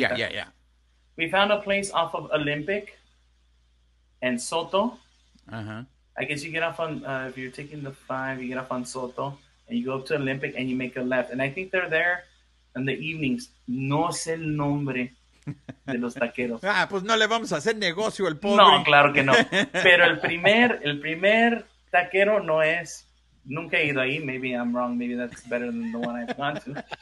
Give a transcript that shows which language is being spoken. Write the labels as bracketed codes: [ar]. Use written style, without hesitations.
[en] tacos. Yeah, yeah, yeah. We found a place off of Olympic and Soto. Uh-huh. I guess you get off on, if you're taking the 5, you get off on Soto and you go up to Olympic and you make a left. And I think they're there in the evenings. [es] No sé el nombre de los taqueros. Ah, pues no le vamos a hacer negocio al pobre. No, claro que no. Pero el primer taquero no es, nunca he ido ahí. [en] Maybe I'm wrong. Maybe that's better than the one I've gone to.